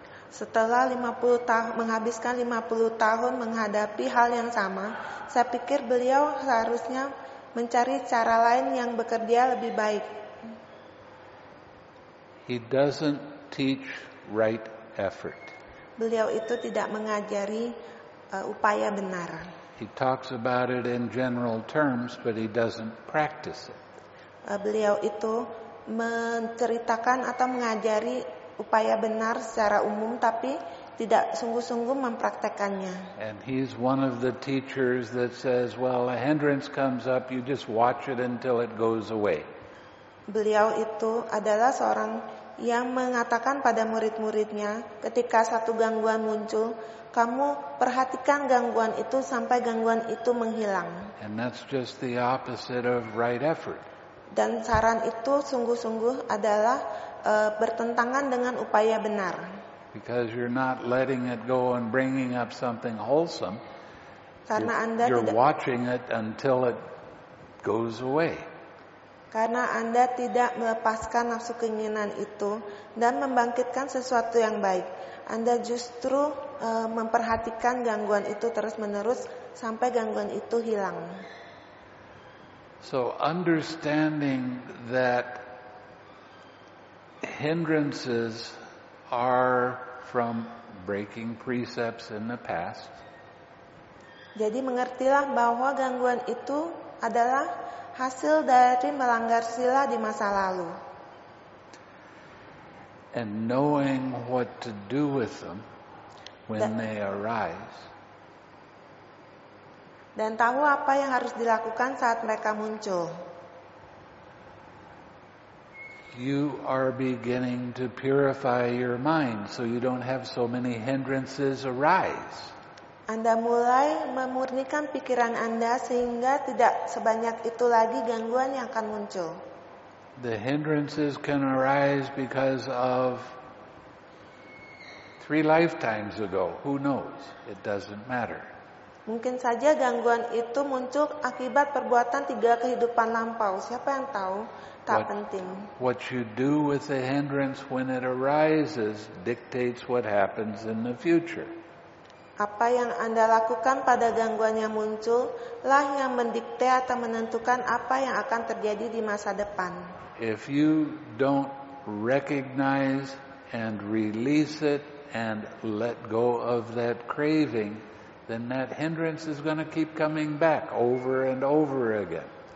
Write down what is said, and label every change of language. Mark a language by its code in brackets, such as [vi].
[id] Setelah menghabiskan 50 tahun menghadapi hal yang sama, saya pikir beliau seharusnya mencari cara lain yang bekerja lebih baik. [en] He doesn't teach right effort. [id] Beliau itu tidak mengajari upaya benar. [en] He talks about it in general terms, but he doesn't practice it. [id] Beliau itu menceritakan atau mengajari upaya benar secara umum, tapi tidak sungguh-sungguh mempraktekannya. [en] And he's one of the teachers that says, well, a hindrance comes up, you just watch it until it goes away. [id] Beliau itu adalah seorang yang mengatakan pada murid-muridnya, ketika satu gangguan muncul, kamu perhatikan gangguan itu sampai gangguan itu menghilang. [en] And that's just the opposite of right effort. [id] Dan saran itu sungguh-sungguh adalah bertentangan dengan upaya benar. [en] Because you're not letting it go and bringing up something wholesome. [id] Karena Anda [en] you're watching it until it goes away. [id] Karena Anda tidak melepaskan nafsu keinginan itu dan membangkitkan sesuatu yang baik. Anda justru memperhatikan gangguan itu terus-menerus sampai gangguan itu hilang. [en] So understanding that hindrances are from breaking precepts in the past. [id] Jadi mengertilah bahwa gangguan itu adalah hasil dari melanggar sila di masa lalu. [en] And knowing what to do with them when they arise. [id] Dan tahu apa yang harus dilakukan saat mereka muncul. [en] You are beginning to purify your mind so you don't have so many hindrances arise. [id] Anda mulai memurnikan pikiran Anda sehingga tidak sebanyak itu lagi gangguan yang akan muncul. [en] The hindrances can arise because of 3 lifetimes ago. Who knows? It doesn't matter. [id] Mungkin saja gangguan itu muncul akibat perbuatan 3 kehidupan lampau. Siapa yang tahu? Tak penting. [en] What you do with the hindrance when it arises dictates what happens in the future. [id] Apa yang Anda lakukan pada gangguan yang muncul lah yang mendikte atau menentukan apa yang akan terjadi di masa depan. [en] If you don't recognize and release it and let go of that craving, then that hindrance is going to keep coming back over and over again.